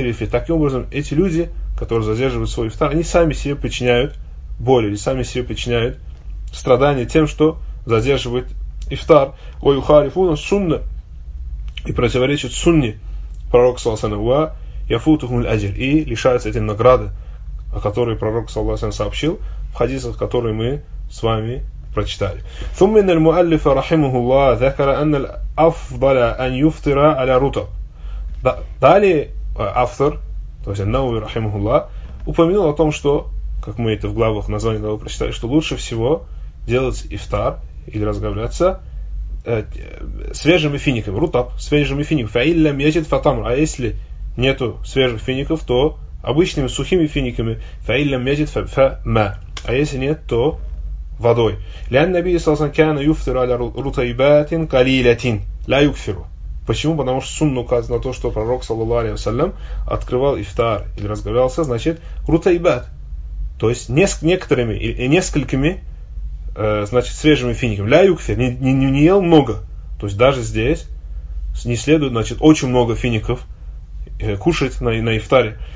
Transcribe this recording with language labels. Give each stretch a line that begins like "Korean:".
Russian: Таким образом, эти люди, которые задерживают свой ифтар, они сами себе причиняют боль или сами себе причиняют страдания тем, что задерживают ифтар.
Arabic: Ойухарифуна сунна
Russian: и противоречит сунне пророк саллаллаху алейхи ва саллям и лишаются этой награды, о которой пророк саллаллаху алейхи ва саллям сообщил в хадисах, которые мы с вами прочитали.
Arabic: ثم إن المؤلف رحمه الله ذكر أن الأفضل أن يفطر على رطب.
Russian: Далее автор, то есть Ан-Науви рахимахуллах, упомянул о том, что, как мы это в главах, название главы прочитали, что лучше всего делать ифтар или разговариваться свежими финиками. Рутаб, свежими финиками.
Arabic: فَإِنْ لَمْ يَجِدْ فَطَمْرَ.
Russian: А если нету свежих фиников, то обычными сухими финиками.
Arabic: فَإِنْ لَمْ يَجِدْ فَمَا.
Russian: А если нет, то водой.
Arabic: لأن النبي صلى الله عليه وسلم كان يفطر على رطيبات قليلة لا يكثر.
Russian: Почему? Потому что сунна указывает на то, что пророк саллаллаху алейхи ва саллям открывал ифтар или разговаривался, значит, рутайбат, то есть несколькими значит, свежими финиками.
Arabic: Ля юкфе,
Russian: не ел много. То есть даже здесь не следует, значит, очень много фиников кушать на ифтаре.